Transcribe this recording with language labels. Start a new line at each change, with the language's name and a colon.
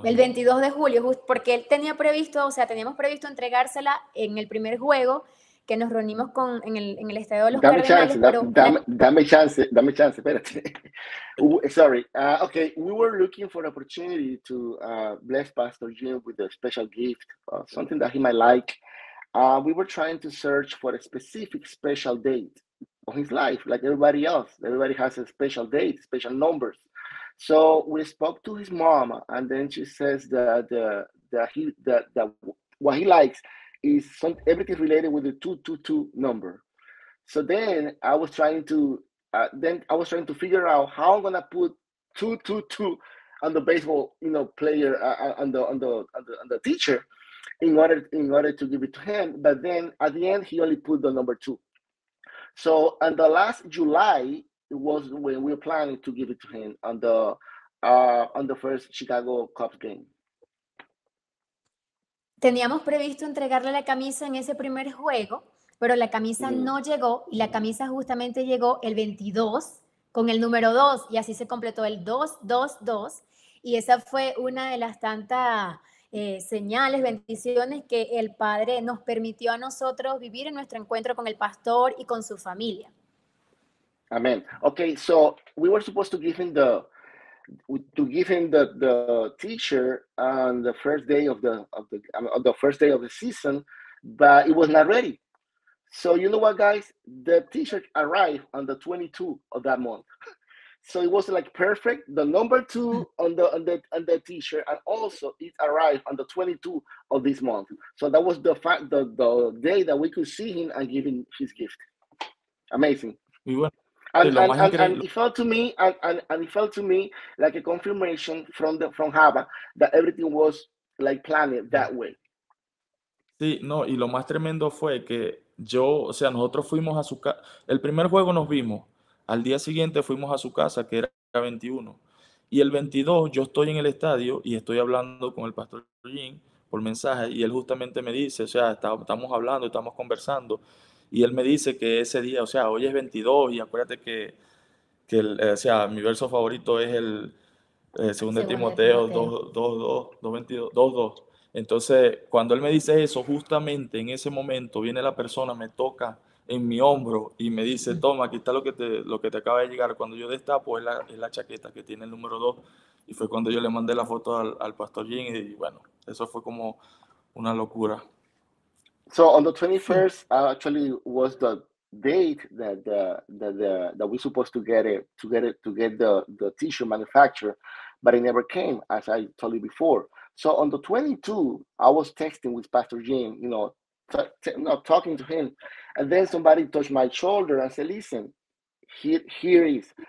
Spanish: El 22 de julio, porque él tenía previsto, o sea, teníamos previsto entregársela en el primer juego que nos reunimos con en el estadio de los Cardenales. Dame chance, espérate.
English: Sorry. Okay, we were looking for an opportunity to bless Pastor Jim with a special gift, something that he might like. We were trying to search for a specific special date of his life, like everybody else. Everybody has a special date, special numbers. So we spoke to his mom, and then she says that what he likes is everything related with the 222 number. So then I was trying to figure out how I'm gonna put 222 on the baseball, you know, player on the teacher, in order to give it to him. But then at the end he only put the number 2. So on the last July was when we were planning to give it to him on the first Chicago Cubs game.
Spanish: Teníamos previsto entregarle la camisa en ese primer juego, pero la camisa no llegó y la camisa justamente llegó el 22 con el número 2 y así se completó el 2-2-2 y esa fue una de las tantas señales, bendiciones que el Padre nos permitió a nosotros vivir en nuestro encuentro con el pastor y con su familia. Amén.
English: Okay, so we were supposed to give him the teacher on the first day of the season, but it was not ready. So you know what, guys? The t-shirt arrived on the 22 of that month. So it was like perfect. The number 2 on the t-shirt, and also it arrived on the 22 of this month. So that was the day that we could see him and give him his gift. Amazing. We were. And it felt to me like a confirmation from Java that everything was like planned that way.
Spanish: Sí, no, y lo más tremendo fue que yo, o sea, nosotros fuimos a su casa, el primer juego nos vimos, al día siguiente fuimos a su casa, que era 21, y el 22 yo estoy en el estadio y estoy hablando con el pastor Jim por mensaje, y él justamente me dice, o sea, estamos hablando, estamos conversando, y él me dice que ese día, o sea, hoy es 22, y acuérdate que el, o sea, mi verso favorito es el 2 Timoteo 2:22. Entonces, cuando él me dice eso, justamente en ese momento viene la persona, me toca en mi hombro y me dice, toma, aquí está lo que te acaba de llegar. Cuando yo destapo, es la chaqueta que tiene el número 2. Y fue cuando yo le mandé la foto al pastor Jim, y bueno, eso fue como una locura.
English: So on the 21st, actually was the date that we supposed to get the t-shirt manufactured, but it never came, as I told you before. So on the 22, I was texting with Pastor Jim, you know, talking to him, and then somebody touched my shoulder and said, "Listen, here is."